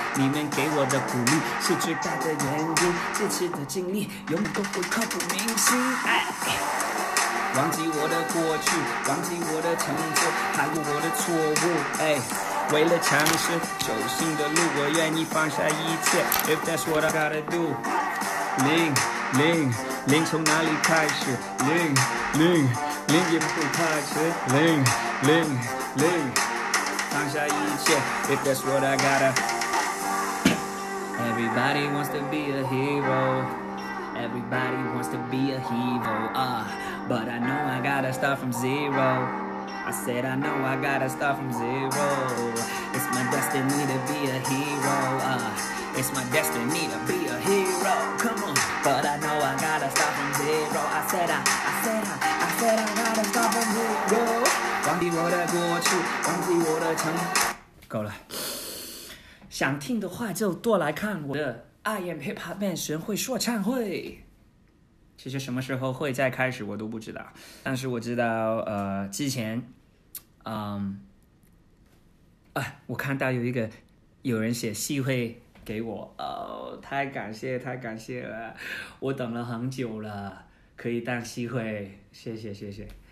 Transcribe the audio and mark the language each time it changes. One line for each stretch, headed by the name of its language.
Chinese: 你们给我的鼓励是最大的原因，这次的经历永远都会刻骨铭心。忘记我的过去，忘记我的成就，还有我的错误。哎，为了尝试走新的路，我愿意放下一切。
English: If that's what I gotta do，
Chinese: 零零零，从哪里开始？零零零，也不会太迟。零零零，放下一切。
English: If that's what I gotta， Everybody wants to be a hero。 Everybody wants to be a hero, but I know I gotta start from zero. I said I know I gotta start from zero. It's my destiny to be a hero, it's my destiny to be a hero. Come on, but I know I gotta start from zero. I said I gotta start from zero.
Chinese: 忘记我的过去，忘记我的成。够了，想听的话就多来看我的。
English: I am Hip Hop Man
Chinese: 神会说唱会，其实什么时候会再开始我都不知道，但是我知道之前我看到有人写戏会给我，太感谢太感谢了，我等了很久了可以当戏会，谢谢谢谢